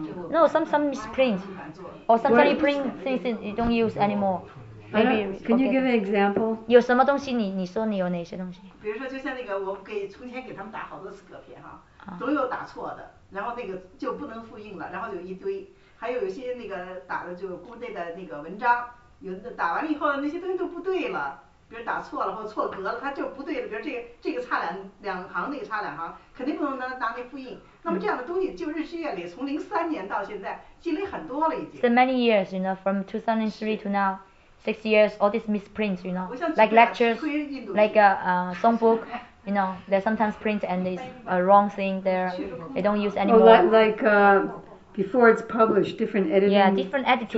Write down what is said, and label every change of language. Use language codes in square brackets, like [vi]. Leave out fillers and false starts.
[en] No, some misprint, or somebody print things you don't use anymore. Maybe. Can you give an example? [zh] 有什么东西你说你有哪些东西？比如说，就像那个，我给从前给他们打好多次隔片哈，都有打错的，然后那个就不能复印了，然后有一堆。还有些那个打的就是固定的那个文章，有的打完了以后那些东西都不对了，比如打错了或错格了，它就不对了。比如这个差两行，那个差两行，肯定不能拿那复印。那么这样的东西就日积月累，从2003年到现在积累很多了已经。 [en] So many years, you know, from 2003 to now, 6 years, all these misprints, you know, like lectures, like a songbook. You know, they sometimes print and there's a wrong thing there. They don't use anymore. Oh, like. Before it's published, different editing. Yeah, different editing